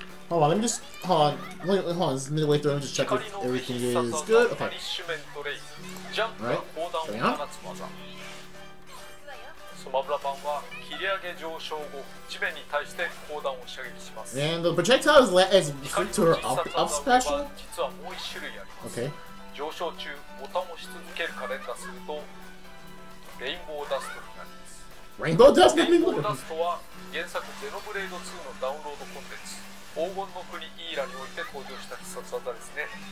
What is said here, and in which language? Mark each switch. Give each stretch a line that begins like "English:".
English: Hold on, let me just, hold on, this is midway through, let me just check if everything is good. Okay. Alright, carry on.
Japanese: スマブラ版は切り上げ上昇後、地面に対して砲弾を射撃します。
English: And the projectile is free to her up special?
Japanese: 実はもう一種類あります、
English: okay.
Japanese: 上昇中、ボタンを押し続けるか連打するとレインボーダストになります。
English: Rainbow Dust?
Japanese: レインボーダストは原作ゼノブレード2のダウンロードコンテンツ、黄金の国イーラにおいて登場した必殺技ですね。